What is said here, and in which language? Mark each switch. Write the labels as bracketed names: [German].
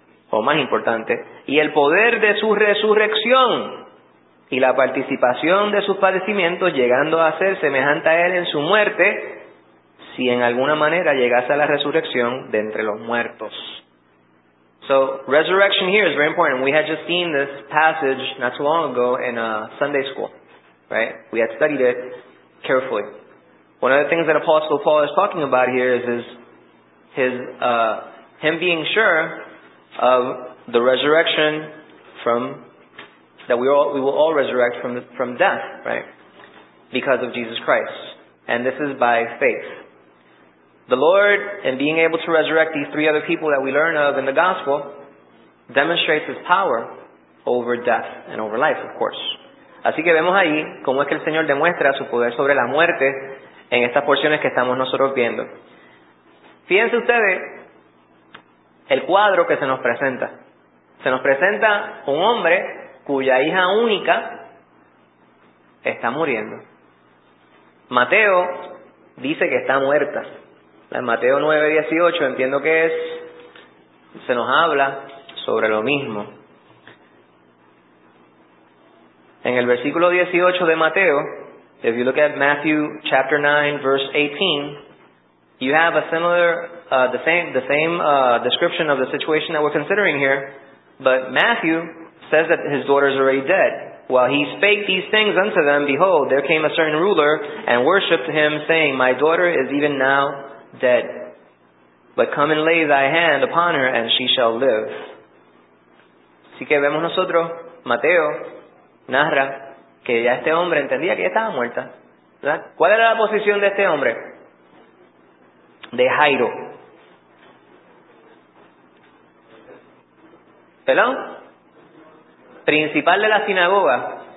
[Spanish] o más importante, y el poder de su resurrección, y la participación de sus padecimientos, llegando a ser semejante a él en su muerte, si en alguna manera llegase a la resurrección de entre los muertos. [English] So resurrection here is very important. We had just seen this passage not too long ago in Sunday school, right? We had studied it carefully. One of the things that Apostle Paul is talking about here is him being sure of the resurrection from that we will all resurrect from death, right? Because of Jesus Christ. And this is by faith. The Lord, in being able to resurrect these three other people that we learn of in the gospel, demonstrates his power over death and over life, of course. [Spanish] Así que vemos ahí cómo es que el Señor demuestra su poder sobre la muerte en estas porciones que estamos nosotros viendo. Fíjense ustedes el cuadro que se nos presenta. Se nos presenta un hombre cuya hija única está muriendo. Mateo dice que está muerta. En Mateo 9:18 entiendo que es, se nos habla sobre lo mismo. En el versículo 18 de Mateo, [English] if you look at Matthew chapter 9 verse 18, you have a similar, the same description of the situation that we're considering here, but Matthew says that his daughter is already dead. While he spake these things unto them, behold, there came a certain ruler and worshipped him, saying, my daughter is even now dead, but come and lay thy hand upon her and she shall live. [Spanish] Así que vemos nosotros, Mateo narra que ya este hombre entendía que ya estaba muerta. ¿Verdad? ¿Cuál era la posición de este hombre? De Jairo. ¿Perdón? Principal de la sinagoga.